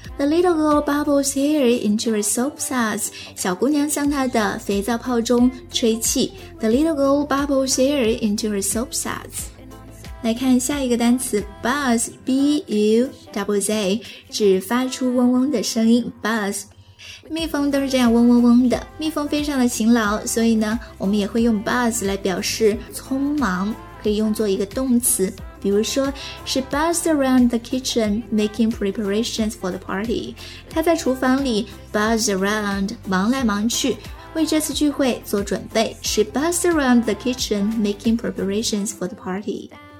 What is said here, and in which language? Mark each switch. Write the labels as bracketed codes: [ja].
[en] The little girl bubbles air into her soap suds. [zh] 小姑娘向她的肥皂泡中吹气。 [en] The little girl bubbles air into her soap suds. [zh] 来看下一个单词 buzz, B-U-Z-Z, 指发出嗡嗡的声音 buzz。蜜蜂都是这样嗡嗡嗡的，蜜蜂非常的勤劳，所以呢我们也会用 buzz 来表示匆忙，可以用作一个动词。比如说 [en] She buzzed around the kitchen making preparations for the party. [zh] 她在厨房里 [en] buzzed around, [zh] 忙来忙去，为这次聚会做准备。 [en] She buzzed around the kitchen making preparations for the party.